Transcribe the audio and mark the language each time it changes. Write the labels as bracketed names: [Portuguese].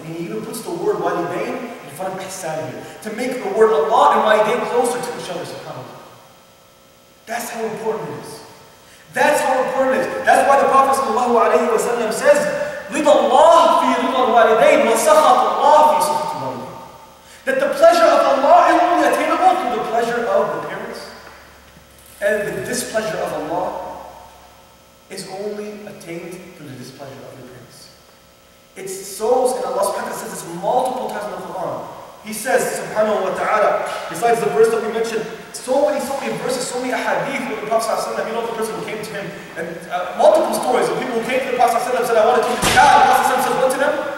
[English] And he even puts the word walidayn in front of ihsan here, to make the word Allah and walidayn closer to each other, subhanAllah. That's how important it is. That's how important it is. That's why the Prophet sallallahu alayhi wa sallam says, [Arabic] رِضَى اللَّهُ فِي رِضَى الْوَالِدَيْنِ وَسَخَطُ اللَّهُ فِي سَخَطِ الْوَالِدَيْنِ. [English] That the pleasure of Allah is only attainable through the pleasure of the parents, and the displeasure of Allah is only attained through the displeasure of your parents. It's souls, and Allah subhanahu wa ta'ala says this multiple times in the Quran. He says, subhanahu wa ta'ala, besides the verse that we mentioned, so many verses, so many ahadith with the Prophet, you know, the person who came to him, and multiple stories of people who came to the Prophet and said, I want to do jihad. The Prophet says, what to them?